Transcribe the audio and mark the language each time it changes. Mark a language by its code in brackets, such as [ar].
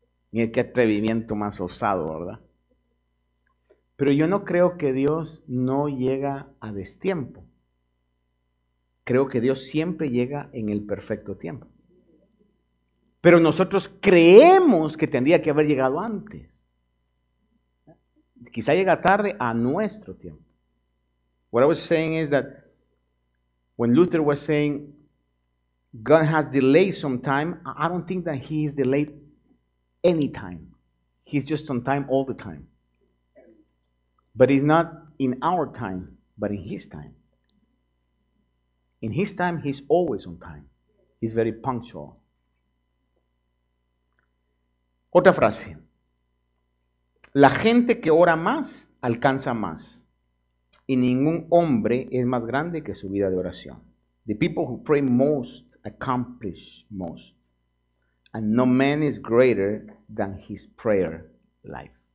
[es] Mire qué atrevimiento más osado, ¿verdad? Pero yo no creo que Dios no llega a destiempo. Creo que Dios siempre llega en el perfecto tiempo. Pero nosotros creemos que tendría que haber llegado antes. Quizá llega tarde a nuestro tiempo. [en] What I was saying is that when Luther was saying God has delayed some time, I don't think that he is delayed any time. He's just on time all the time. But it's not in our time, but in his time. In his time, he's always on time. He's very punctual. [es] Otra frase. La gente que ora más, alcanza más. Y ningún hombre es más grande que su vida de oración. [en] The people who pray most accomplish most. And no man is greater than his prayer life.